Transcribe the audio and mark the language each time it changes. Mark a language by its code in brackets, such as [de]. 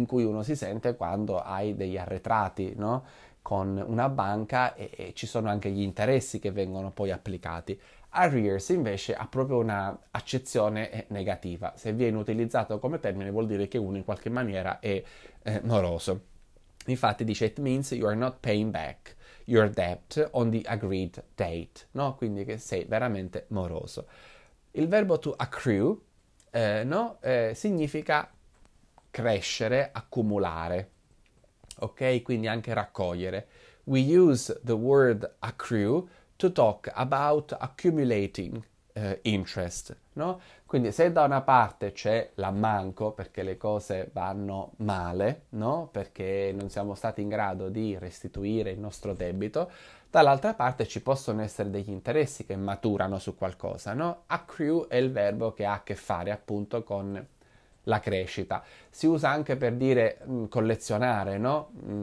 [it] In cui uno si sente quando hai degli arretrati, no? Con una banca e ci sono anche gli interessi che vengono poi applicati. Arrears invece ha proprio una accezione negativa. Se viene utilizzato come termine vuol dire che uno in qualche maniera è moroso. Infatti dice [en] it means you are not paying back your debt on the agreed date, [it] no? Quindi che sei veramente moroso. Il verbo to accrue, no? Significa crescere, accumulare. Ok, quindi anche raccogliere. [en] We use the word accrue to talk about accumulating interest, no? [it] Quindi se da una parte c'è l'ammanco perché le cose vanno male, no? Perché non siamo stati in grado di restituire il nostro debito, dall'altra parte ci possono essere degli interessi che maturano su qualcosa, no? Accrue è il verbo che ha a che fare appunto con la crescita si usa anche per dire collezionare, no?